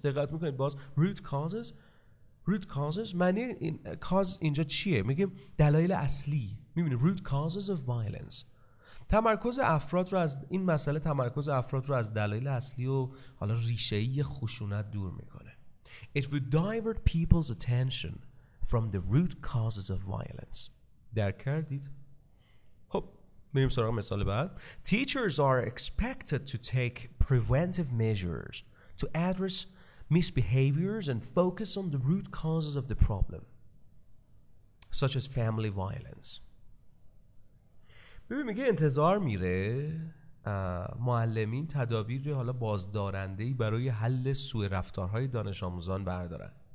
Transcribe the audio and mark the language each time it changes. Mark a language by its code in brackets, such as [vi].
[fa] دقت میکنید باز root causes. معنی این cause اینجا چیه؟ میگیم دلایل اصلی. میبینید [en] root causes of violence. [fa] تمرکز افراد رو از این مسئله، تمرکز افراد رو از دلایل اصلی و حالا ریشه‌ای خشونت دور میکنه. [en] It would divert people's attention from the root causes of violence. [fa] درک کردید؟ خب بریم سراغ مثال بعد. [en] Teachers are expected to take preventive measures to address misbehaviors and focus on the root causes of the problem, such as family violence. [fa] ببین میگه انتظار میره معلمین تدابیر حالا بازدارندهی برای حل سوء رفتارهای دانش آموزان بردارن.